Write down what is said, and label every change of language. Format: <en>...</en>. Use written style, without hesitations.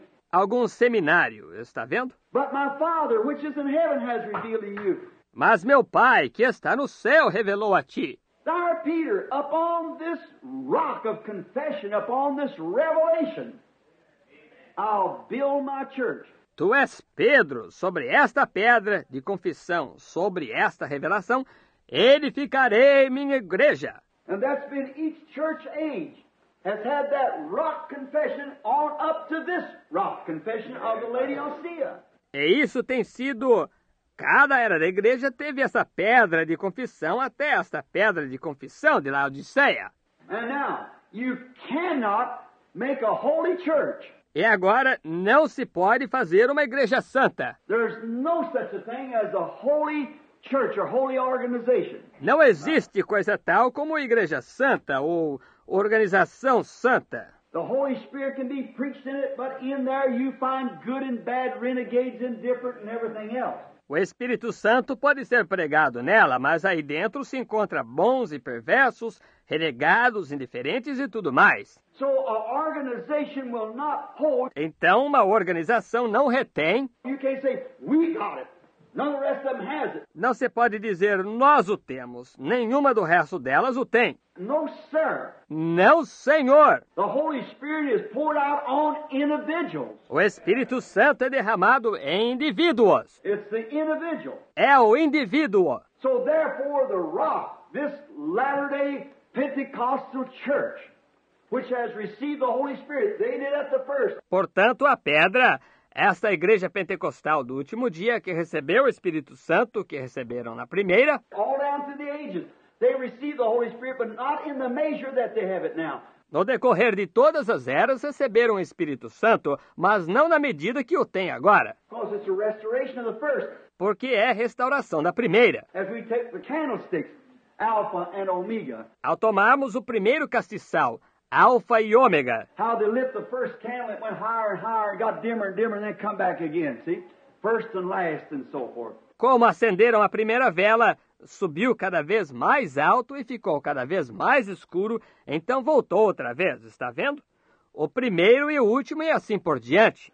<pt>Algum seminário, está vendo?</pt> <en>But my Father, which is in heaven, has revealed to you.</en> <pt>Mas meu Pai, que está no céu, revelou a ti.</pt> <en>Thou, Peter, upon this rock of confession, upon this revelation, I'll build my church.</en> <pt>Tu és Pedro, sobre esta pedra de confissão, sobre esta revelação, edificarei minha igreja.</pt> <en>And that's been each church age has had that rock confession on up to this rock confession of the Lady Osea.</en> <pt>E isso tem sido, cada era da igreja teve essa pedra de confissão até esta pedra de confissão de Laodiceia.</pt> <en>And now, you cannot make a holy church.</en> <pt>E agora não se pode fazer uma igreja santa.</pt> <en>There's no such a thing as a holy church or holy organization.</en> <pt>Não existe coisa tal como igreja santa ou organização santa.</pt> <en>The Holy Spirit can be preached in it, but in there you find good and bad, renegades, indifferent, and everything else.</en> <pt>O Espírito Santo pode ser pregado nela, mas aí dentro se encontra bons e perversos, renegados, indiferentes e tudo mais.</pt> <en>So a organization will not hold.</en> <pt>Então uma organização não retém.</pt> <en>You can't say, we got it. None of the rest of them has it.</en> <pt>Não se pode dizer, nós o temos. Nenhuma do resto delas o tem.</pt> <en>No, sir.</en> <pt>Não, senhor.</pt> <en>The Holy Spirit is poured out on individuals.</en> <pt>O Espírito Santo é derramado em indivíduos.</pt> <en>It's the individual.</en> <pt>É o indivíduo.</pt> <en>So therefore the rock, this Latter-day Pentecostal church, which has received the Holy Spirit, they did at the first.</en> <pt>Portanto, a pedra, esta igreja pentecostal do último dia que recebeu o Espírito Santo, que receberam na primeira.</pt> <en>All down to the ages, they received the Holy Spirit, but not in the measure that they have it now.</en> <pt>No decorrer de todas as eras, receberam o Espírito Santo, mas não na medida que o tem agora.</pt> <en>Because it's a restoration of the first.</en> <pt>Porque é a restauração da primeira.</pt> <en>As we take the candlesticks, Alpha and Omega.</en> <pt>Ao tomarmos o primeiro castiçal, Alfa e Ômega.</pt> <en>How they lit the first candle, it went higher and higher, got dimmer and dimmer, and then come back again, see? First and last and so forth.</en> <pt>Como acenderam a primeira vela, subiu cada vez mais alto e ficou cada vez mais escuro, então voltou outra vez, está vendo? O primeiro e o último e assim por diante.</pt>